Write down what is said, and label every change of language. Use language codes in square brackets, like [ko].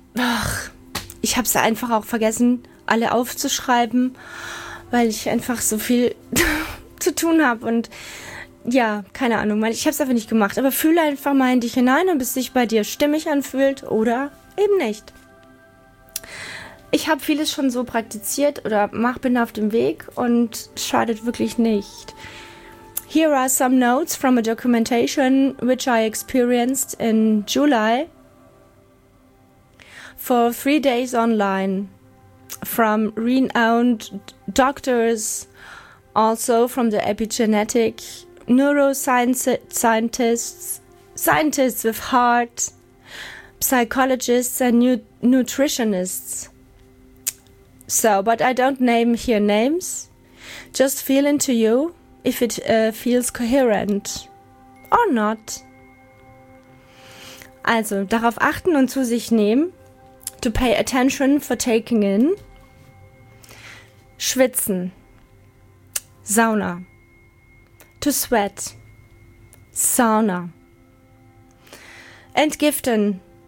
[de] Ach, ich habe es einfach auch vergessen, alle aufzuschreiben, weil ich einfach so viel zu tun habe. Und ja, keine Ahnung, ich habe es einfach nicht gemacht. Aber fühle einfach mal in dich hinein, ob es sich bei dir stimmig anfühlt oder eben nicht. Ich habe vieles schon so praktiziert oder bin auf dem Weg und schadet wirklich nicht. [en] Here are some notes from a documentation which I experienced in July. For 3 days online, from renowned doctors, also from the epigenetic neuroscientists with heart, psychologists and nutritionists. So, but I don't name here names, just feel into you if it feels coherent or not. [de] Also, darauf achten und zu sich nehmen. [en] To pay attention for taking in. [de] Schwitzen. Sauna. [en] To sweat. [de] Sauna. Entgiften.